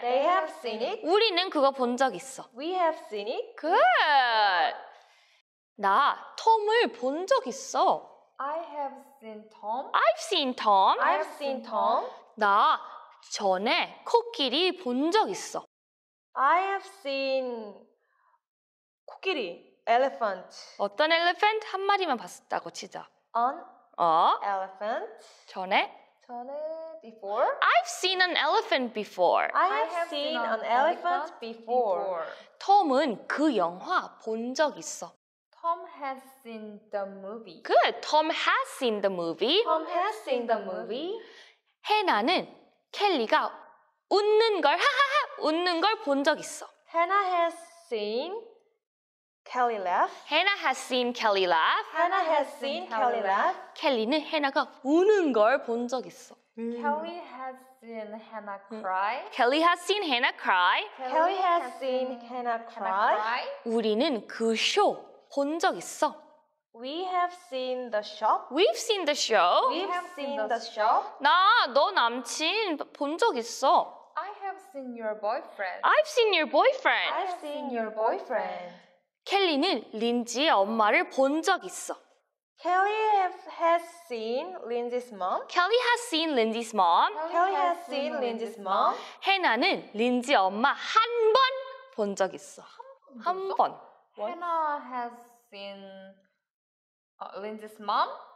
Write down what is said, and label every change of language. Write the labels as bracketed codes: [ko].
[en] They have seen it. [ko] 우리는 그거 본 적 있어? [en] We have seen it. Good. [ko] 나 톰을 본 적 있어? [en] I have seen Tom. I've seen Tom. I've seen Tom. [ko] 나 전에 코끼리 본 적 있어? [en] I have seen [ko] 코끼리. [en] Elephant. [ko] 어떤 elephant? 한 마리만 봤다고 치자. [en] An 어? elephant. [ko] 전에? 전에 [en] before. I've seen an elephant before. I have seen an elephant before. [ko] Tom은 그 영화 본 적 있어? [en] Tom has seen the movie. Good. Tom has seen the movie. Tom has seen the movie. [ko] 해나는 켈리가 웃는 걸 하하하 웃는 걸 본 적 있어? [en] Hannah has seen Kelly laugh. Hannah has seen Kelly laugh. Hannah has seen Kelly laugh. [ko] 켈리는 해나가 우는 걸 본 적 있어. [en] Kelly has seen Hannah cry. Kelly has seen Hannah cry. Kelly has seen Hannah cry. Hannah cry. [ko] 우리는 그 쇼 본 적 있어. [en] We have seen the show. We've seen the show. We've seen the show. [ko] 나 너 남친 본 적 있어. [en] I have seen your boyfriend. I've seen your boyfriend. I've seen your boyfriend. [ko] 켈리는 린지의 엄마를 본 적 있어. [en] Kelly has seen Lindsay's mom. Kelly has seen Lindsay's mom. Kelly has seen Lindsay's mom. [ko] 해나는 린지 엄마 한 번 본 적 있어. 한 번. [en] Hannah has seen Lindsay's mom.